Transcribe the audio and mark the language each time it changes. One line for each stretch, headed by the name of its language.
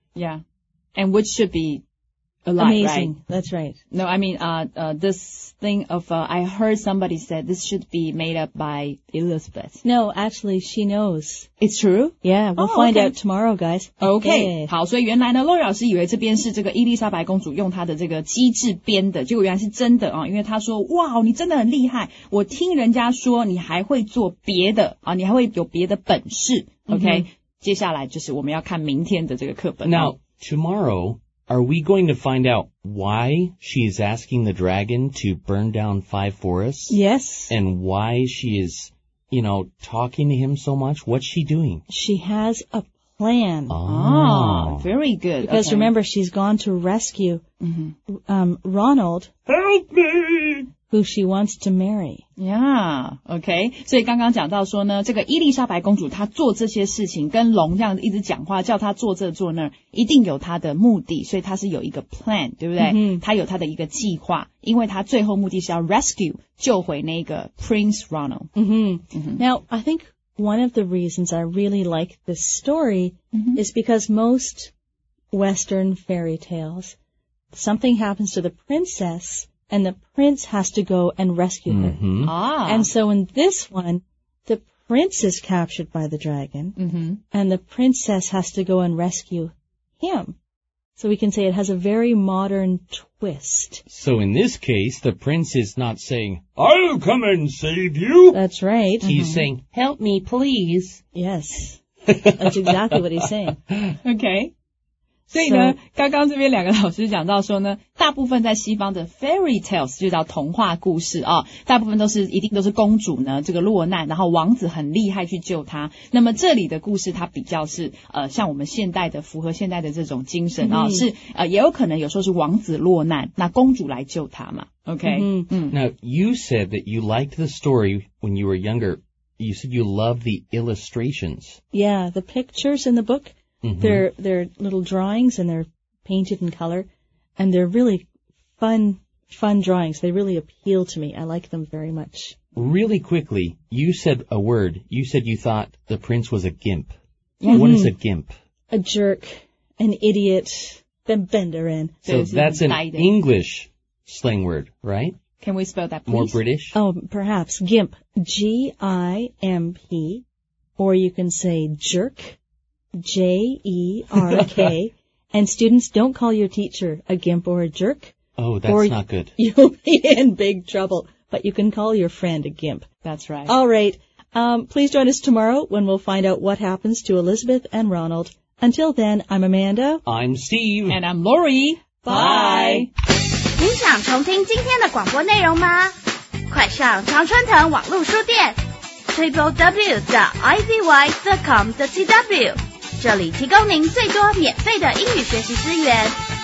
English: Yeah. And which should be a lot, amazing. Right? That's right. No, I mean, this thing of, I heard somebody said this should be made up by Elizabeth. No, actually, she knows. It's true? Yeah, we'll find out tomorrow, guys. Okay.
Chinese: 好，所以原来呢，洛瑞老师以为这边是这个伊丽莎白公主用她的这个机智编的，结果原来是真的啊，因为她说，哇，你真的很厉害，我听人家说你还会做别的啊，你还会有别的本事。
English: Okay. Mm-hmm.
Chinese: 接下来就是我们要看明天的这个课本。
English: Now, tomorrow,Are we going to find out why she is asking the dragon to burn down five forests? Yes. And why she is, you know, talking to him so much? What's she doing? She has a plan. Ah, very good. Because remember, she's gone to rescue Ronald. Help me! Who she wants to marry. Yeah, okay.
Chinese: 所以刚刚讲到说呢，这个伊丽莎白公主她做这些事情，跟龙这样一直讲话，叫她坐这坐那儿，一定有她的目的，所以她是有一个 plan, 对不对？嗯，她有她的一个计划，因为她最后目的是要 rescue, 救回那个 Prince Ronald.
English: Now, I think one of the reasons I really like this story is because most Western fairy tales, something happens to the princess,And the prince has to go and rescue her. And so in this one, the prince is captured by the dragon, and the princess has to go and rescue him. So we can say it has a very modern twist. So in this case, the prince is not saying, I'll come and save you. That's right. He's saying, help me, please. Yes. That's exactly what he's saying. Okay.
Chinese: 所以呢，刚刚这边两个老师讲到说呢，大部分在西方的 fairy tales 就叫童话故事啊，大部分都是一定都是公主呢这个落难，然后王子很厉害去救她。那么这里的故事它比较是像我们现代的符合现代的这种精神啊，是也有可能有时候是王子落难，那公主来救他嘛。
English: OK. Now you said that you liked the story when you were younger. You said you loved the illustrations. Yeah, the pictures in the book. They're little drawings and they're painted in color and they're really fun drawings. They really appeal to me. I like them very much. Really quickly, you said a word. You said you thought the prince was a gimp. What is a gimp? A jerk, an idiot, bembenderin. So that's an English slang word, right? Can we spell that, please? More British? Oh, perhaps. Gimp. G-I-M-P. Or you can say jerk. J-E-R-K. And students, don't call your teacher a gimp or a jerk. Oh, that's not good. You'll be in big trouble. But you can call your friend a gimp. That's right. All right. Please join us tomorrow when we'll find out what happens to Elizabeth and Ronald. Until then, I'm Amanda. I'm Steve. And I'm Lori. Bye.
Chinese: 您想重听今天的广播内容吗？快上常春藤网络书店 www.ivy.com.tw这里提供您最多免费的英语学习资源。